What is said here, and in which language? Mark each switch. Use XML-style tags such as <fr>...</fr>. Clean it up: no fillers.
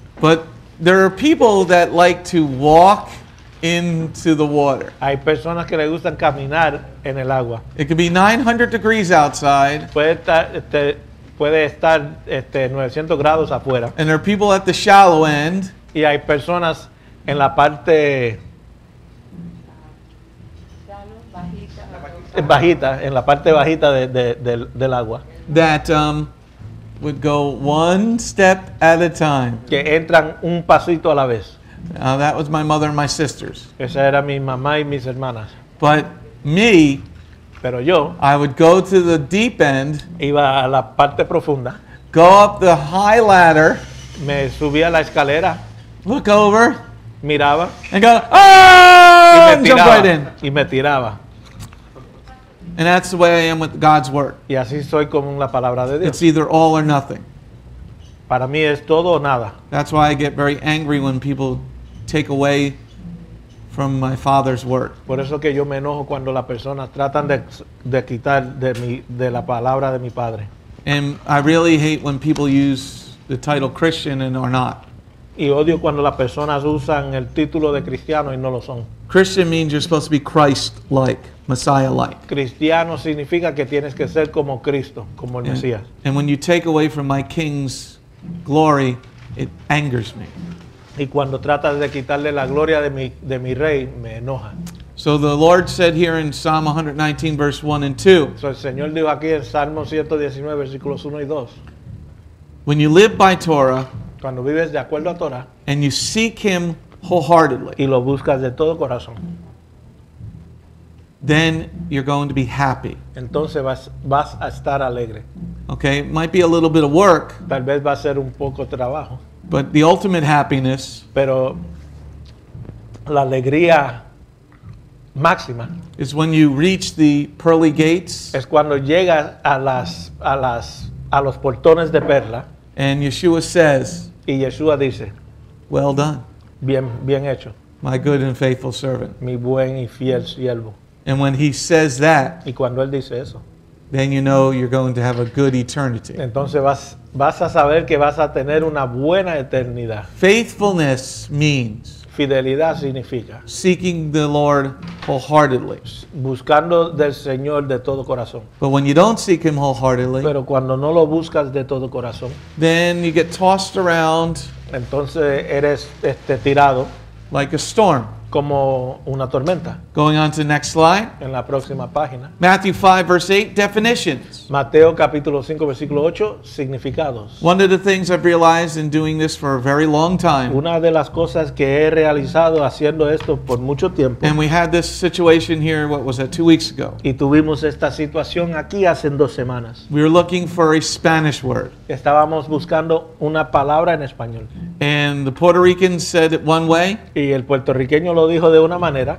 <en>But there are people that like to walk into the water.</en> <es>Hay personas que le gustan caminar en el agua.</es> <en>It could be 900 degrees outside.</en> <es>Puede estar 900 grados afuera.</es> <en>And there are people at the shallow end.</en> <es>Y hay personas en la parte bajita, en la parte bajita del agua.</es> <en>That would go one step at a time.</en> <es>Que entran un pasito a la vez.</es> <en>That was my mother and my sisters.</en> <es>Esa era mi mamá y mis hermanas.</es> <en>But me,</en> <es>pero yo,</es> <en>I would go to the deep end.</en> <es>Iba a la parte profunda.</es> <en>Go up the high ladder.</en> <es>Me subía la escalera.</es> <en>Look over.</en> <es>Miraba.</es> <en>And go, oh! And jump right in.</en> <es>Y me tiraba.</es> <en>And that's the way I am with God's word.</en> <es>Y así soy con la palabra de Dios.</es> <en>It's either all or nothing.</en> <es>Para mí es todo o nada.</es> <en>That's why I get very angry when people take away from my father's word.</en> <es>Por eso que yo me enojo cuando las personas tratan de quitar de la palabra de mi padre.</es> <en>And I really hate when people use the title Christian and are not.</en> <es>Y odio cuando las personas usan el título de cristiano y no lo son.</es> <en>Christian means you're supposed to be Christ-like, Messiah-like.</en> <es>Cristiano significa que tienes que ser como Cristo, como el Mesías.</es> <en>And when you take away from my King's glory, it angers me.</en> <es>Y cuando tratas de quitarle la gloria de mi rey, me enoja.</es> <en>So the Lord said here in Psalm 119, verse 1 and 2.</en> <es>So el Señor dijo aquí en Salmo 119, versículos 1 y 2.</es> <en>When you live by Torah,</en> <es>cuando vives de acuerdo a Torah,</es> <en>and you seek Him wholeheartedly,</en> <es>y lo buscas de todo corazón,</es> <en>then you're going to be happy.</en> <es>Entonces vas a estar alegre.</es> <en>Okay, it might be a little bit of work.</en> <es>Tal vez va a ser un poco trabajo.</es> <en>But the ultimate happiness,</en> <es>pero la alegría máxima,</es> <en>is when you reach the pearly gates.</en> <es>Es cuando llegas a los portones de perla.</es> <en>And Yeshua says,</en> <es>y Yeshua dice,</es> <en>well done.</en> <es>Bien hecho.</es> <en>My good and faithful servant.</en> <es>Mi buen y fiel siervo.</es> <en>And when he says that,</en> <es>y cuando él dice eso,</es> <en>then you know you're going to have a good eternity.</en> <es>Entonces vas a saber que vas a tener una buena eternidad.</es> <en>Faithfulness means</en> <es>fidelidad significa</es> <en>seeking the Lord wholeheartedly.</en> <es>Buscando del Señor de todo corazón.</es> <en>But when you don't seek Him wholeheartedly,</en> <es>pero cuando no lo buscas de todo corazón,</es> <en>then you get tossed around.</en> <es>Entonces eres tirado</es> <en>like a storm.</en> <es>Como una tormenta.</es> <en>Going on to the next slide.</en> <es>En la próxima página.</es> <en>Matthew 5, verse 8, definitions.</en> <es>Mateo capítulo 5, versículo 8, significados.</es> <en>One of the things I've realized in doing this for a very long time.</en> <es>Una de las cosas que he realizado haciendo esto por mucho tiempo.</es> <en>And we had this situation here, what was it, 2 weeks ago.</en> <es>Y tuvimos esta situación aquí hace 2 semanas.</es> <en>We were looking for a Spanish word.</en> <es>Estábamos buscando una palabra en español.</es> <en>And the Puerto Rican said it one way.</en> <es>Y el puertorriqueño lo dijo de una manera.</es>